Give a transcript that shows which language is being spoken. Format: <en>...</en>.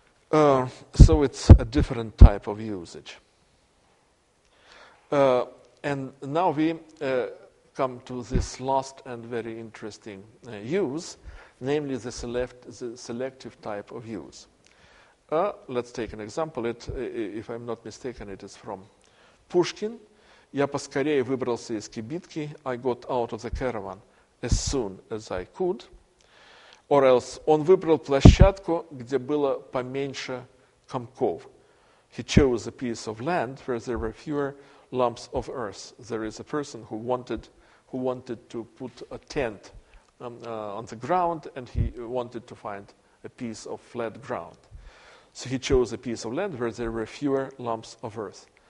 <en>So it's a different type of usage. And now we come to this last and very interesting use, namely the selective type of use. Let's take an example. If I'm not mistaken, it is from Pushkin.</en> <ru>Я поскорее выбрался из кибитки.</ru> <en>I got out of the caravan as soon as I could. Or else,</en> <ru>он выбрал площадку, где было поменьше комков.</ru> <en>He chose a piece of land where there were fewer lumps of earth. There is a person who wanted to put a tent on the ground, and he wanted to find a piece of flat ground. So he chose a piece of land where there were fewer lumps of earth.</en>